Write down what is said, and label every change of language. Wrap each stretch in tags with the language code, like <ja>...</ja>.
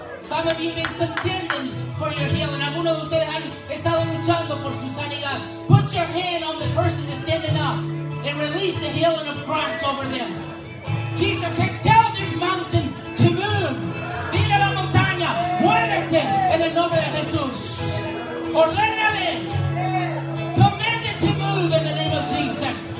<en>Some of you have been contending for your healing.</en> <es>Algunos de ustedes han estado luchando por su sanidad.</es> <en>Put your hand on the person that's standing up and release the healing of Christ over them. Jesus said, tell this mountain to move.</en> <es>Dile a la montaña, muévete en el nombre de Jesús. Ordénale.</es> <en>Command it to move in the name of Jesus.</en>